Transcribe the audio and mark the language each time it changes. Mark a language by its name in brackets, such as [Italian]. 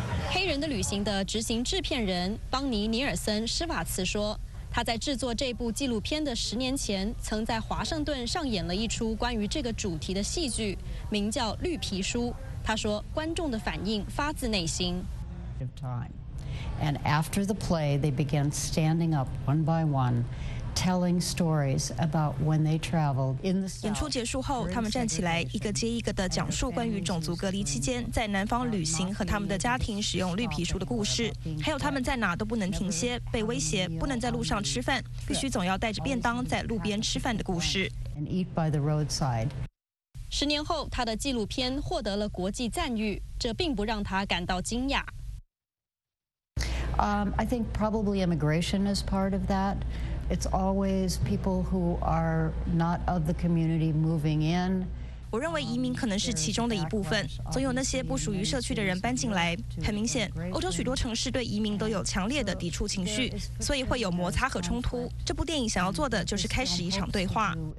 [Chinese] 黑人的旅行的执行制片人邦尼·尼尔森·施瓦茨说，他在制作这部纪录片的10年前曾在华盛顿上演了一出关于这个主题的戏剧，名叫《绿皮书》。他说，观众的反应发自内心。 [English] And after the play, they began standing up one by one, telling stories about when they traveled in the South. [Chinese] 演出结束后，他们站起来，一个接一个地讲述关于种族隔离期间在南方旅行和他们的家庭使用绿皮书的故事，还有他们在哪都不能停歇，被威胁不能在路上吃饭，必须总要带着便当在路边吃饭的故事。 [English] And eat by the roadside. [Chinese] 10年后，他的纪录片获得了国际赞誉，这并不让他感到惊讶。 [English] I think probably immigration is part of that. It's always people who are not of the community moving in. [Chinese] 我认为移民可能是其中的一部分，总有那些不属于社区的人搬进来。很明显，欧洲许多城市对移民都有强烈的抵触情绪，所以会有摩擦和冲突。这部电影想要做的就是开始一场对话。